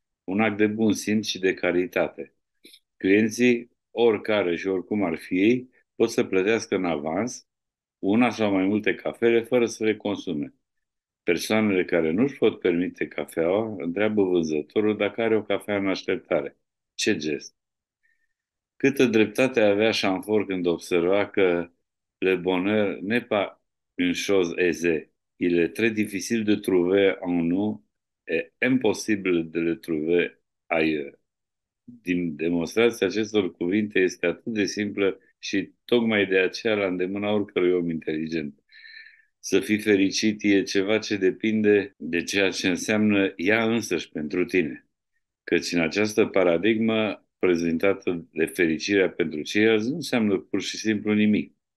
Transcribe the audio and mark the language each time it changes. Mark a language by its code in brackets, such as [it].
[ro] Un act de bun simț și de caritate. Clienții, oricare și oricum ar fi ei, pot să plătească în avans una sau mai multe cafele fără să le consume. Persoanele care nu-și pot permite cafeaua întreabă vânzătorul dacă are o cafea în așteptare. Ce gest! Câtă dreptate avea Chamfort când observa că [fr] le bonheur n'est pas une chose aisée, il est très difficile de trouver en nous et impossible de le trouver ailleurs. [ro] Din demonstrația acestor cuvinte este atât de simplă și tocmai de aceea la îndemâna oricărui om inteligent. Să fii fericit e ceva ce depinde de ceea ce înseamnă ea însăși pentru tine. Căci în această paradigmă prezentată de fericirea pentru ceilalți nu înseamnă pur și simplu nimic.